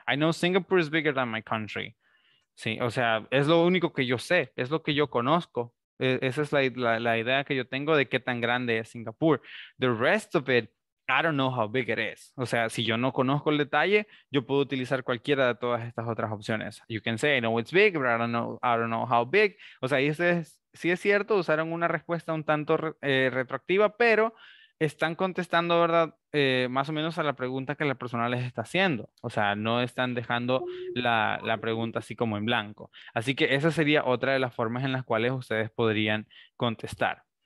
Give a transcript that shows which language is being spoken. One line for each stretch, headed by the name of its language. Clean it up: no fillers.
English: I know Singapore is bigger than my country.
Spanish: Sí, o sea, es lo único que yo sé, es lo que yo conozco. Esa es la idea que yo tengo de qué tan grande es Singapore.
English: The rest of it, I don't know how big it is.
Spanish: O sea, si yo no conozco el detalle, yo puedo utilizar cualquiera de todas estas otras opciones.
English: You can say, I know it's big, but I don't know how big.
Spanish: O sea, y eso es, sí es cierto, usaron una respuesta un tanto retroactiva, pero están contestando, ¿verdad? Más o menos a la pregunta que la persona les está haciendo. O sea, no están dejando la pregunta así como en blanco. Así que esa sería otra de las formas en las cuales ustedes podrían contestar.